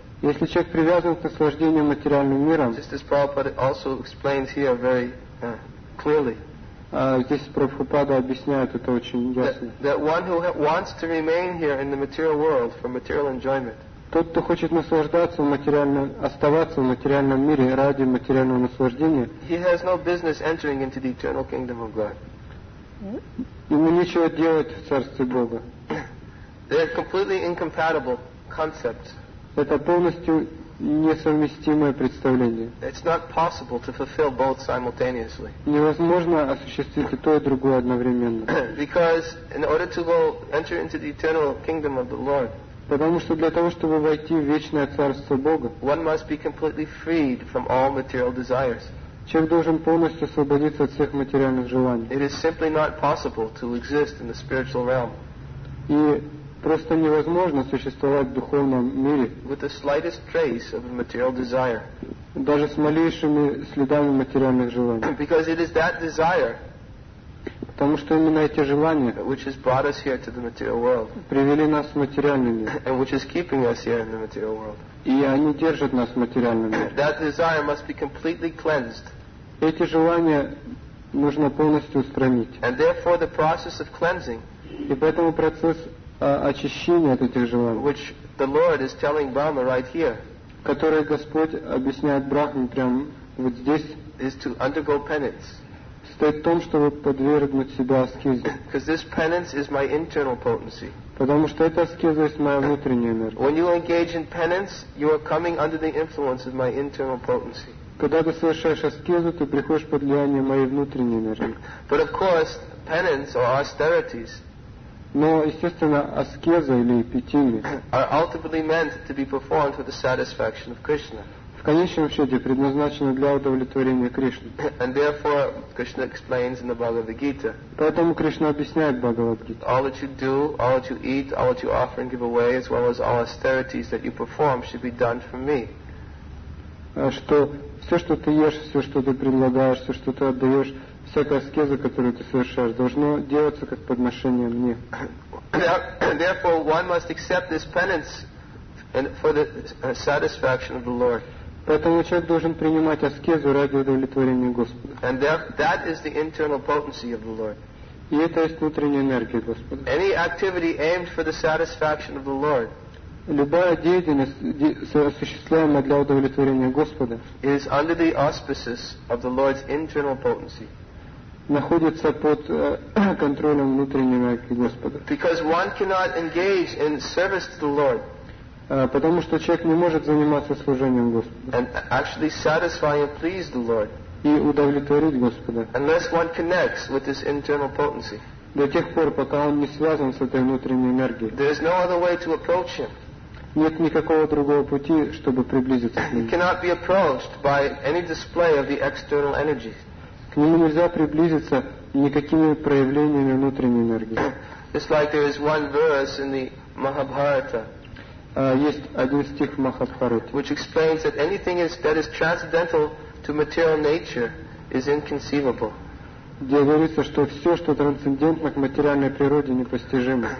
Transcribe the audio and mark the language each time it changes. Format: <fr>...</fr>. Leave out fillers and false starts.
<ru>если человек привязан к наслаждению материальным миром,</ru> <en>just as Prabhupada also explains here very clearly,</en> <ru>здесь Прабхупада объясняет это очень ясно.</ru> <en>That one who wants to remain here in the material world for material enjoyment.</en> <ru>Тот, кто хочет наслаждаться материальным, оставаться в материальном мире ради материального наслаждения,</ru> <en>he has no business entering into the eternal kingdom of God.</en> <ru>Ему нечего делать в Царстве Бога.</ru> <en>They're completely incompatible concepts.</en> <ru>Это полностью несовместимое представление.</ru> <en>It's not possible to fulfill both simultaneously.</en> <ru>Невозможно осуществить и то, и другое одновременно.</ru> <en>Because in order to go enter into the eternal kingdom of the Lord,</en> <ru>потому что для того, чтобы войти в вечное царство Бога,</ru> <en>one must be completely freed from all material desires.</en> <ru>Человек должен полностью освободиться от всех материальных желаний.</ru> <en>It is simply not possible to exist in the spiritual realm.</en> <ru>И просто невозможно существовать в духовном мире</ru> <en>with the slightest trace of a material desire.</en> <ru>Даже с малейшими следами материальных желаний.</ru> <en>Because it is that desire,</en> <ru>потому что именно эти желания,</ru> <en>which has brought us here to the material world,</en> <ru>привели нас в материальный мир,</ru> <en>and which is keeping us here in the material world,</en> <ru>и они держат нас в материальном мире.</ru> <en>That desire must be completely cleansed.</en> <ru>Эти желания нужно полностью устранить.</ru> <en>And therefore the process of cleansing,</en> <ru>и поэтому процесс очищения от этих желаний,</ru> <en>which the Lord is telling Brahma right here,</en> <ru>которое Господь объясняет Брахме прямо вот здесь,</ru> <en>is to undergo penance.</en> <ru>Стоит в том, чтобы подвергнуть себя аскезе.</ru> <en>Because this penance is my internal potency.</en> <ru>Потому что эта аскеза есть моя внутренняя энергия.</ru> <en>When you engage in penance, you are coming under the influence of my internal potency.</en> <ru>Когда ты совершаешь аскезу, ты приходишь под влияние моей внутренней энергии.</ru> <en>But of course, penance or austerities,</en> <ru>но, естественно, аскеза или питими,</ru> <en>are ultimately meant to be performed for the satisfaction of Krishna.</en> <ru>В конечном счете предназначено для удовлетворения Кришны.</ru> <en>And therefore, Krishna explains in the Bhagavad Gita.</en> <ru>Поэтому Кришна объясняет Бхагавад Гита.</ru> <en>All that you do, all that you eat, all that you offer and give away, as well as all austerities that you perform, should be done for me.</en> <ru>Что все, что ты ешь, все, что ты предлагаешь, все, что ты отдаешь, всякая аскеза, которую ты совершаешь, должно делаться как подношение мне.</ru> <en>Therefore, one must accept this penance for the satisfaction of the Lord.</en> <ru>Поэтому человек должен принимать аскезу ради удовлетворения Господа.</ru> <en>And that is the internal potency of the Lord.</en> <ru>И это есть внутренняя энергия Господа.</ru> <en>Any activity aimed for the satisfaction of the Lord,</en> <ru>любая деятельность, осуществляемая для удовлетворения Господа,</ru> <en>is under the auspices of the Lord's internal potency.</en> <ru>Находится под контролем внутренней энергии Господа.</ru> <en>Because one cannot engage in service to the Lord,</en> <ru>потому что человек не может заниматься служением Господу.</ru> <en>And actually satisfy and please the Lord.</en> <ru>И удовлетворить Господа.</ru> <en>Unless one connects with this internal potency.</en> <ru>До тех пор, пока он не связан с этой внутренней энергией.</ru> <en>There is no other way to approach him.</en> <ru>Нет никакого другого пути, чтобы приблизиться к нему.</ru> <en>He cannot be approached by any display of the external energy.</en> <ru>К нему нельзя приблизиться никакими проявлениями внутренней энергии.</ru> <en>It's like there is one verse in the Mahabharata.</en> <ru>Есть один стих в Махабхарате,</ru> <en>which explains that anything that is transcendental to material nature is inconceivable.</en> <ru>Где говорится, что все, что трансцендентно к материальной природе, непостижимо.</ru>